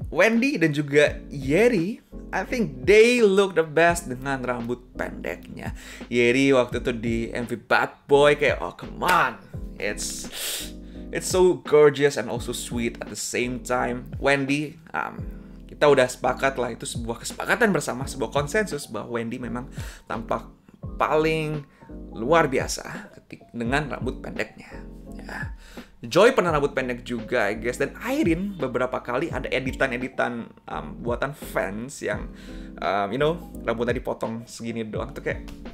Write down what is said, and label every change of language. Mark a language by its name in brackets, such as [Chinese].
[English] Wendy dan juga Yeri, I think they look the best [Indonesian] dengan rambut pendeknya. [English] Yeri [Indonesian] waktu itu di MV Bad Boy kayak, [English] oh come on, it's so gorgeous and also sweet at the same time. [Indonesian] Wendy, kita udah sepakat lah, itu sebuah kesepakatan bersama, sebuah konsensus bahwa Wendy memang tampak paling luar biasa dengan rambut pendeknya. Yeah. Joy pernah rambut pendek juga, [English] I guess. [Indonesian] Dan Irene beberapa kali ada editan-editan buatan fans yang, [English] you know, [Indonesian] rambutnya dipotong segini doang. Tuh kayak...